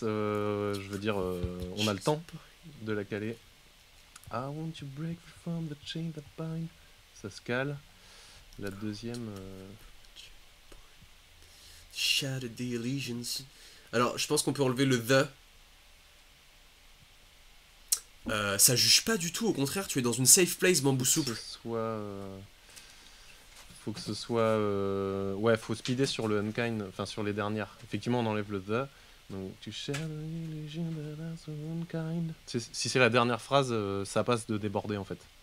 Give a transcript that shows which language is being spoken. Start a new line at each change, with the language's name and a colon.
French: Je veux dire, on a le temps de la caler.
English: I want to break free from the chain that bind.
French: Ça se cale. La deuxième.
English: Shattered the illusions.
French: Alors, je pense qu'on peut enlever le the. Ça juge pas du tout, au contraire, tu es dans une safe place, Bambou Faut que ce Souple. soit. Faut que ce soit. Ouais, faut speeder sur le unkind, enfin sur les dernières. Effectivement, on enlève le the. Donc, tu
English: shattered the illusions that are so unkind.
French: Si c'est la dernière phrase, ça passe de déborder en fait.